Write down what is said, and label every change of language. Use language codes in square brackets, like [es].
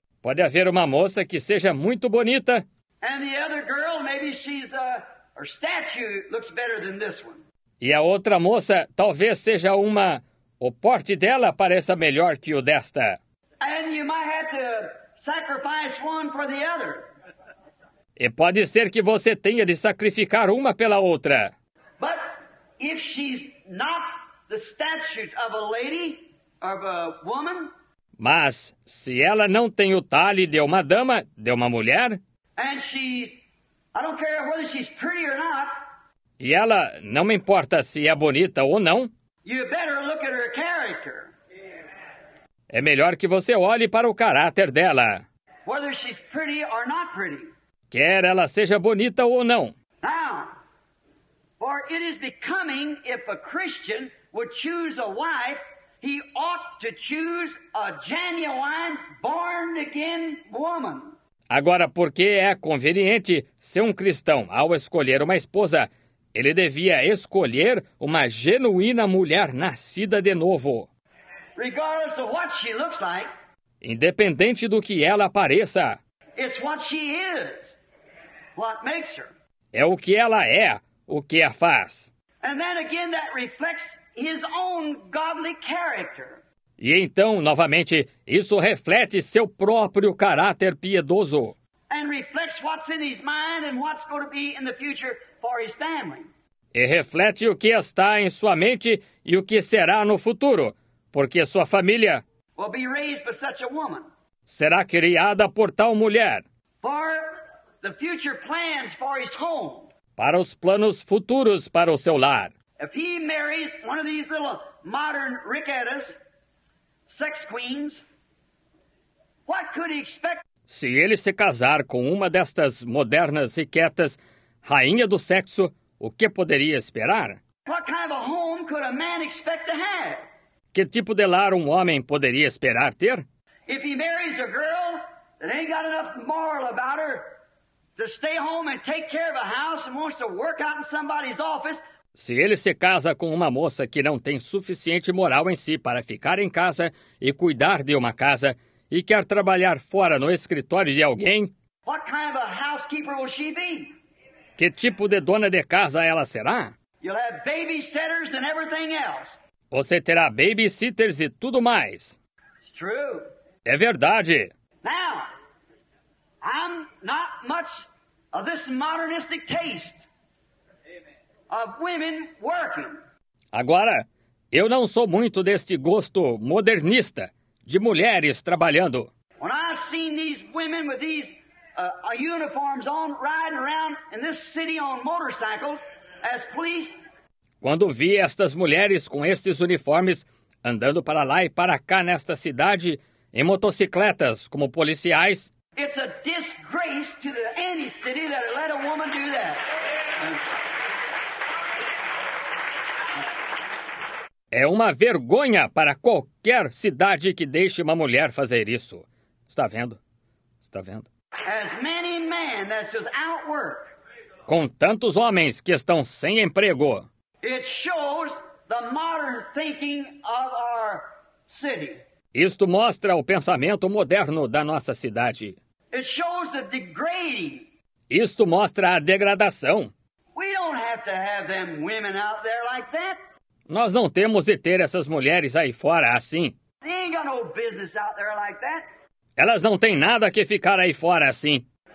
[pt] Pode haver uma moça que seja muito bonita. [en] And the other girl, maybe she's her statue looks better than this one. [pt] E a outra moça, talvez seja uma... O porte dela pareça melhor que o desta. [en] And you might have to sacrifice one for the other. [pt] E pode ser que você tenha de sacrificar uma pela outra. [en] But if she's not the statue of a lady, of a woman... [pt] Mas se ela não tem o talhe de uma dama, de uma mulher... [en] And she's... I don't care whether she's pretty or not. [pt] E ela, não me importa se é bonita ou não. [en] You better look at her character. [pt] É melhor que você olhe para o caráter dela. [en] Whether she's pretty or not pretty. [pt] Quer ela seja bonita ou não. [en] Now, for it is becoming if a Christian would choose a wife, he ought to choose a genuine born again woman. [pt] Agora, porque é conveniente ser um cristão ao escolher uma esposa, ele devia escolher uma genuína mulher nascida de novo. [en] Regardless of what she looks like, [pt] independente do que ela pareça, [en] it's what she is, what makes her. [pt] É o que ela é, o que a faz. [en] And then again, that reflects his own godly character. [pt] E então, novamente, isso reflete seu próprio caráter piedoso. [en] And reflects what's in his mind and what's going to be in the future for his family. [pt] E reflete o que está em sua mente e o que será no futuro, porque sua família [en] will be raised by such a woman. [pt] Será criada por tal mulher. [en] For the future plans for his home. [pt] Para os planos futuros para o seu lar. [en] If he marries one of these little modern Ricketta's sex queens, what could he expect? [pt] Se ele se casar com uma destas modernas riquetas, rainha do sexo, o que poderia esperar? [en] What kind of a home could a man expect to have? [pt] Que tipo de lar um homem poderia esperar ter? [en] If he marries a girl that ain't got enough moral about her to stay home and take care of a house and wants to work out in somebody's office. [pt] Se ele se casa com uma moça que não tem suficiente moral em si para ficar em casa e cuidar de uma casa e quer trabalhar fora no escritório de alguém, [en] what kind of a housekeeper will she be? [pt] Que tipo de dona de casa ela será? [en] You'll have babysitters and everything else. [pt] Você terá babysitters e tudo mais. [en] It's true. [pt] É verdade. [en] Now, I'm not much of this modernistic taste. Of women working. [pt] Agora, eu não sou muito deste gosto modernista de mulheres trabalhando. [en] When I seen these women with these uniforms on riding around in this city on motorcycles as police. [pt] Quando vi estas mulheres com estes uniformes andando para lá e para cá nesta cidade em motocicletas como policiais. [en] It's a disgrace to the any city that let a woman do that. [pt] É uma vergonha para qualquer cidade que deixe uma mulher fazer isso. Está vendo? Está vendo? [en] As many men that's without work, [pt] com tantos homens que estão sem emprego. [en] It shows the modern thinking of our city. [pt] Isto mostra o pensamento moderno da nossa cidade. [en] It shows the degrading. [pt] Isto mostra a degradação. [en] We don't have to have them women out there like that. [pt] Nós não temos de ter essas mulheres aí fora assim. [en] They ain't got no business out there like that. [pt] Elas não têm nada que ficar aí fora assim.